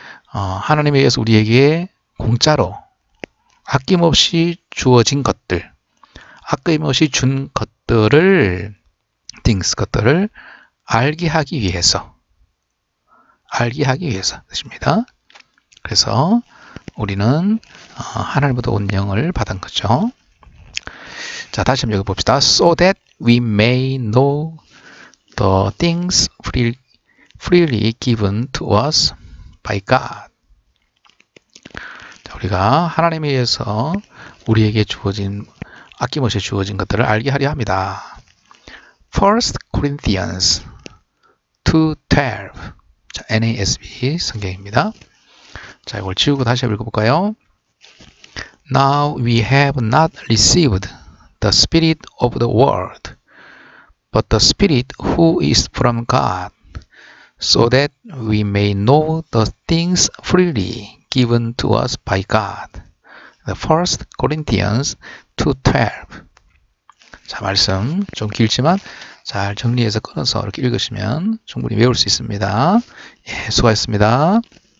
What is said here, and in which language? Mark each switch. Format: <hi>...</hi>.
<ko>하나님에 의해서 우리에게 공짜로 아낌없이 주어진 것들 아낌없이 준 것들을 things 것들을 알게 하기 위해서 알게 하기 위해서 뜻입니다. 그래서 우리는 하나님부터 온 영을 받은 거죠. 자, 다시 한번 여기 봅시다.</ko> <en>So that we may know the things freely given to us by God.</en> <ko>자, 우리가 하나님에 의해서 우리에게 주어진 아낌없이 주어진 것들을 알게 하려 합니다. 1 Corinthians 2:12. 자, NASB 성경입니다. 자, 이걸 지우고 다시 한번 읽어볼까요?</ko> <en>Now we have not received the spirit of the world, but the spirit who is from God, so that we may know the things freely given to us by God. 1 Corinthians 2:12.</en> <ko>자, 말씀 좀 길지만 잘 정리해서 끊어서 이렇게 읽으시면 충분히 외울 수 있습니다. 예, 수고하셨습니다.</ko>